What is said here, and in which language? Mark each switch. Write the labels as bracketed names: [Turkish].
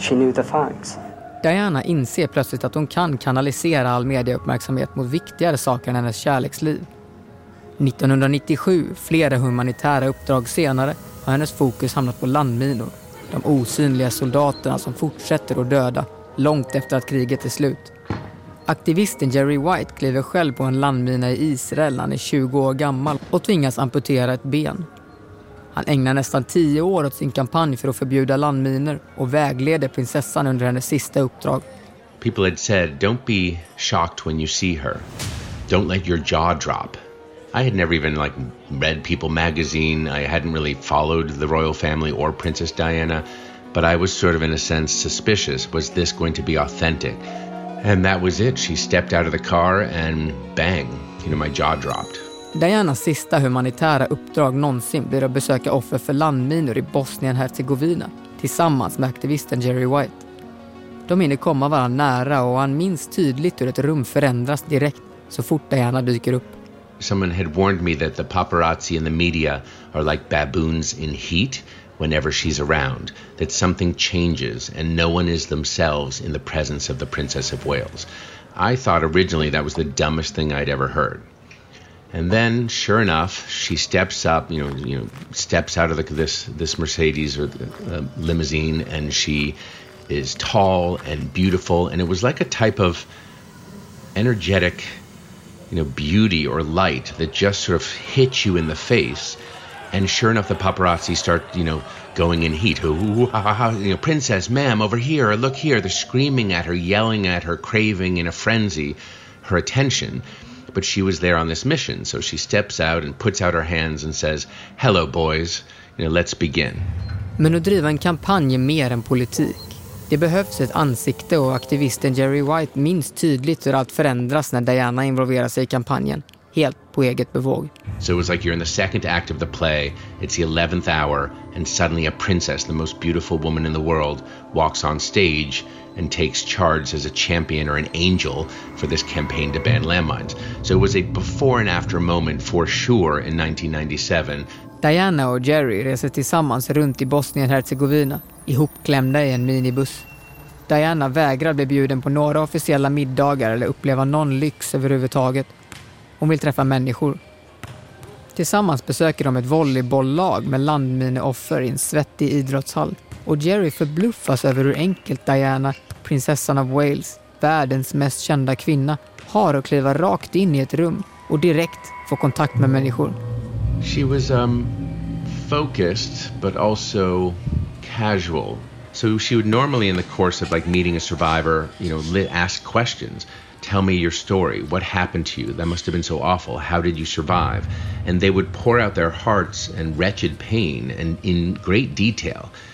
[English] She knew the facts. [Swedish] Diana inser plötsligt att hon kan kanalisera all medieuppmärksamhet mot viktigare saker än hennes kärleksliv. 1997, flera humanitära uppdrag senare, har hennes fokus hamnat på landminor. De osynliga soldaterna som fortsätter att döda långt efter att kriget är slut. Aktivisten Jerry White kliver själv på en landmina i Israel när han är 20 år gammal och tvingas amputera ett ben. Han ägnar nästan 10 år åt sin kampanj för att förbjuda landminer och vägleder prinsessan under hennes sista uppdrag. [English] People had said, don't be shocked when you see her. Don't let your jaw drop. I had never even like read People magazine. I hadn't really followed the royal family or Princess Diana, but I was sort of in a sense suspicious. Was this going to be authentic? And that was it. She stepped out of the car and bang, you know, my jaw dropped. [Swedish] Dianas sista humanitära uppdrag någonsin blir att besöka offer för landminor i Bosnien-Herzegovina tillsammans med aktivisten Jerry White. De hinner komma varandra nära och han minns tydligt hur ett rum förändras direkt så fort Diana dyker upp. [English] Someone had warned me that the paparazzi and the media are like baboons in heat whenever she's around. That something changes and no one is themselves in the presence of the Princess of Wales. I thought originally that was the dumbest thing I'd ever heard. And then, sure enough, she steps up, steps out of this Mercedes or limousine, and she is tall and beautiful. And it was like a type of energetic, beauty or light that just sort of hits you in the face. And sure enough, the paparazzi start, going in heat. Princess, ma'am, over here, look here. They're screaming at her, yelling at her, craving in a frenzy her attention. But she was there on this mission, so she steps out and puts out her hands and says, "Hello, boys. Let's begin." [Swedish] Men att driva en kampanj är mer än politik. Det behövs ett ansikte och aktivisten Jerry White minns tydligt hur allt förändras när Diana involverar sig i kampanjen, helt på eget bevåg. [English] So it was like you're in the second act of the play. It's the 11th hour, and suddenly a princess, the most beautiful woman in the world, walks on stage and takes charge as a champion or an angel for this campaign to ban landmines. So it was a before and after moment for sure in 1997. [Swedish] Diana och Jerry reser tillsammans runt i Bosnien-Herzegovina, ihopklämda i en minibuss. Diana vägrar bli bjuden på några officiella middagar eller uppleva någon lyx överhuvudtaget. Hon vill träffa människor. Tillsammans besöker de ett volleybolllag med landmineoffer i en svettig idrottshall. Och Jerry förbluffas över hur enkelt Diana, prinsessan av Wales, världens mest kända kvinna, har att kliva rakt in i ett rum och direkt få kontakt med människor. [English] She was focused but also casual. So she would normally in the course of like meeting a survivor, ask questions. Tell me your story. What happened to you? That must have been so awful. How did you survive? And they would pour out their hearts and wretched pain and in great detail.